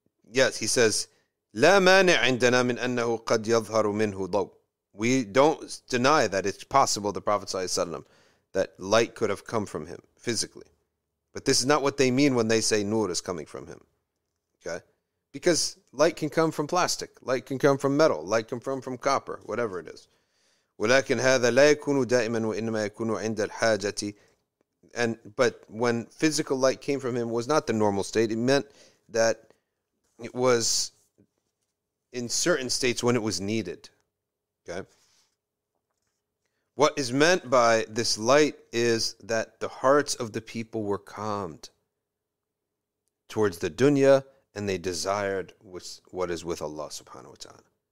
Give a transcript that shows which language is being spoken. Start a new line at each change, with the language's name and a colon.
English: Yes, he says,
Arabic: لا مانع عندنا من أنه قد يظهر منه ضوء.
English: We don't deny that it's possible, the Prophet ﷺ, that light could have come from him physically. But this is not what they mean when they say nur is coming from him. Okay? Because light can come from plastic. Light can come from metal. Light can come from copper. Whatever it is.
Arabic: ولكن هذا لا يكون دائما وإنما يكون عند الحاجة.
English: But when physical light came from him, it was not the normal state. It meant that it was in certain states when it was needed. Okay. What is meant by this light is that the hearts of the people were calmed towards the dunya, and they desired what is with Allah subhanahu wa ta'ala.